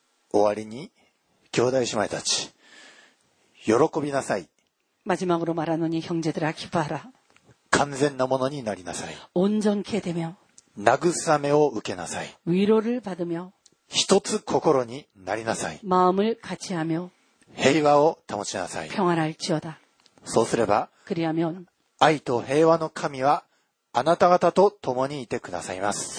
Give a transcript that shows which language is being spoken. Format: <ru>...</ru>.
<ja>終わりに兄弟姉妹たち喜びなさい。</ja> <ko>마지막으로말하노니형제들아기뻐하라。</ko> <ja>完全なものになりなさい。</ja> <ko>온전케되며</ko> <ja>慰めを受けなさい。</ja> <ko>위로를받으며</ko> <ja>一つ心になりなさい。</ja> <ko>마음을같이하며</ko> <ja>平和を保ちなさい。</ja> <ko>평안할지어다。</ko> <ja>そうすれば</ja> <ko>그리하면</ko> <ja>愛と平和の神はあなた方と共にいてくださいます。</ja>